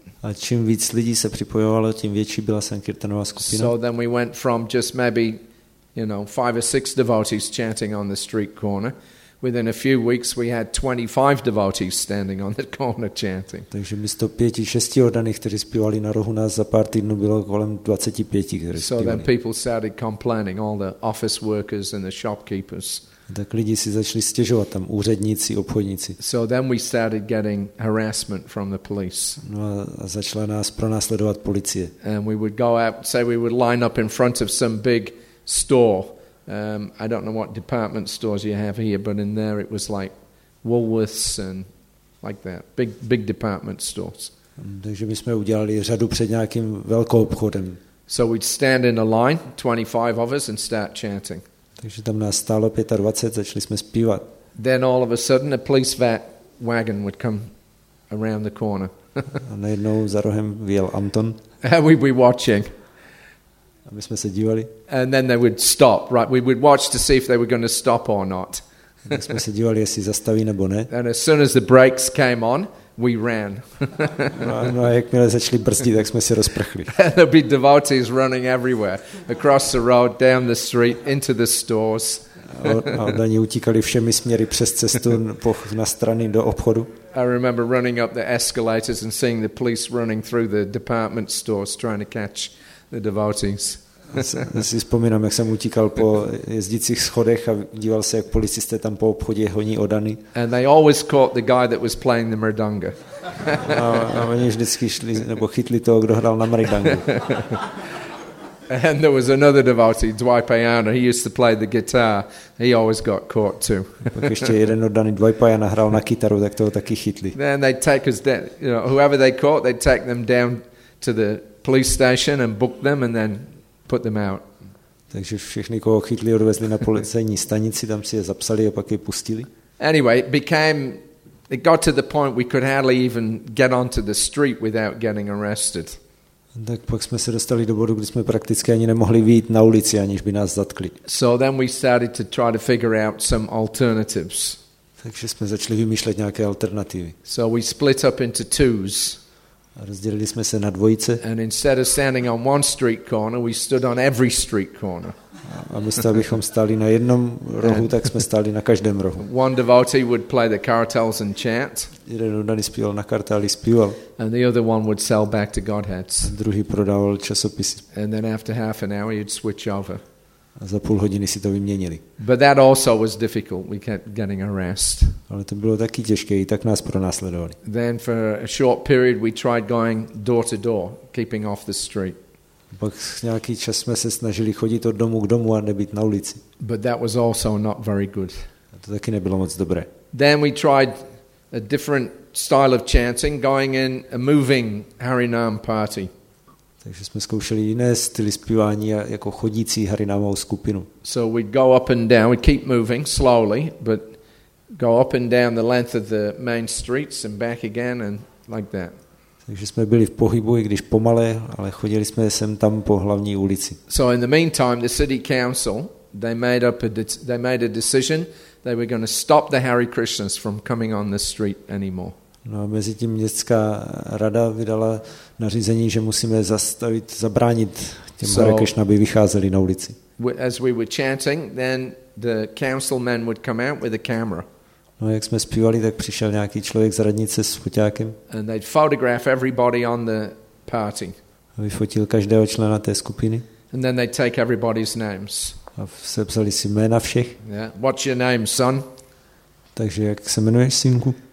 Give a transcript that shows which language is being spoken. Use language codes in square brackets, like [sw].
[cs] A čím víc lidí se připojovalo, tím větší byla sankirtanová skupina. [en] So then we went from just maybe, you know, 5 or 6 devotees chanting on the street corner. Within a few weeks we had 25 devotees standing on the corner chanting. [cs] Takže místo 5-6 oddaných, kteří zpívali na rohu, nás za pár týdnů bylo kolem 25, kteří zpívali. [en] So then people started complaining, all the office workers and the shopkeepers. [cs] Tak lidi si začali stěžovat tam, úředníci, obchodníci. [en] So then we started getting harassment from the police. [cs] No a začala nás pronásledovat policie. [en] And we would go out, say we would line up in front of some big store. I don't know what department stores you have here, but in there it was like Woolworths and like that, big department stores. [cs] Takže my jsme udělali řadu před nějakým velkým obchodem. [en] So we'd stand in a line, 25 of us, and start chanting. [cs] Takže tam nás stálo 25, začali jsme zpívat. [en] Then all of a sudden a police wagon would come around the corner. [cs] A najednou za rohem vyjel Anton. [en] And we'd be watching. [cs] A my jsme se dívali. [en] And then they would stop, right? We would watch to see if they were going to stop or not. [cs] A my jsme se dívali, jestli zastaví nebo ne. [en] And as soon as the brakes came on, we ran. [cs] No, a jakmile začali brzdit, tak jsme se rozprchli. [en] There'd be devotees running everywhere, across the road, down the street, into the stores. [cs] A oni utíkali všemi směry přes cestu na strany do obchodu. [en] I remember running up the escalators and seeing the police running through the department stores trying to catch the devotees. [cs] Já si vzpomínám, jak jsem utíkal po jezdících schodech a díval se, jak policisté tam po obchodě honí odany. [en] And they always caught the guy that was playing the mridanga. [cs] A oni vždycky šli, nebo chytli toho, kdo hrál na mridangu. [en] And there was another devotee, Dwaipayana, he used to play the guitar. He always got caught too. [cs] Pak ještě jeden oddaný Dwaipayana hrál na kytaru, tak toho taky chytli. [en] Then they take us down, you know, whoever they caught, they take them down to the police station and book them and then put them out. [cs] Takže všichni, koho chytli, odvezli na policejní stanici, tam si je zapsali a pak je pustili. [en] Anyway, it got to the point we could hardly even get onto the street without getting arrested. [cs] Tak pak jsme se dostali do bodu, kdy jsme prakticky ani nemohli vyjít na ulici, aniž by nás zatkli. [en] So then we started to try to figure out some alternatives. [cs] Takže jsme začali vymýšlet nějaké alternativy. [en] So we split up into twos. [cs] A rozdělili jsme se na dvojice. [en] And instead of standing on one street corner, we stood on every street corner. [cs] A místo abychom stáli na jednom rohu, tak jsme stáli na každém rohu. [en] One devotee would play the cartels and chant. [cs] Jeden oddaný zpíval na kartály, zpíval. [en] And the other one would sell back to Godheads. [cs] Druhý prodával časopisy. [en] And then after half an hour, you'd switch over. [cs] A za půl hodiny si to vyměnili. [en] But that also was difficult. We kept getting arrested. [cs] Ale to bylo taky těžké, i tak nás pronásledovali. [en] Then for a short period, we tried going door to door, keeping off the street. [cs] Pak nějaký čas jsme se snažili chodit od domu k domu a nebýt na ulici. [en] But that was also not very good. [cs] A to taky nebylo moc dobré. [en] Then we tried a different style of chanting, going in a moving Harinam party. [cs] Takže jsme zkoušeli jiné styly zpívání jako chodící Harinamovou skupinu. [en] So we'd go up and down, we'd keep moving slowly, but go up and down the length of the main streets and back again and like that. [cs] Takže jsme byli v pohybu, i když pomalé, ale chodili jsme sem tam po hlavní ulici. [en] So in the meantime, the city council, they made a decision, they were going to stop the Hare Krishnas from coming on the street anymore. [cs] No a mezi tím městská rada vydala nařízení, že musíme zabránit těm Hare Krishna, aby vycházeli na ulici. [en] As we were chanting, then the councilman would come out with a camera. [cs] No jak jsme zpívali, tak přišel nějaký člověk z radnice s foťákem. [en] And they'd photograph everybody on the party. [cs] A vyfotil každého člena té skupiny. [en] And then they'd take everybody's names. [cs] A sepsali si jména všech. [en] Yeah. What's your name, son? [cs] Takže jak se jmenuješ, synku?